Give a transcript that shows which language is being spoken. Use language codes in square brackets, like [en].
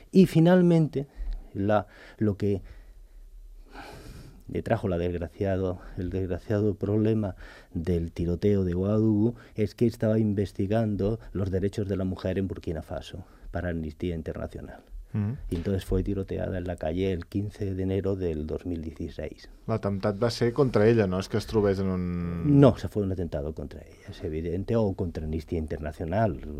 [es] Y finalmente, lo que le trajo el desgraciado problema del tiroteo de Ouagadougou es que estaba investigando los derechos de la mujer en Burkina Faso para Amnistía Internacional. Y entonces fue tiroteada en la calle el 15 de enero del 2016. [ca] L'atemptat va ser contra ella, no? És que es trobés en un... [es] No, se fue un atentado contra ella, es evidente, o contra Amnistía Internacional.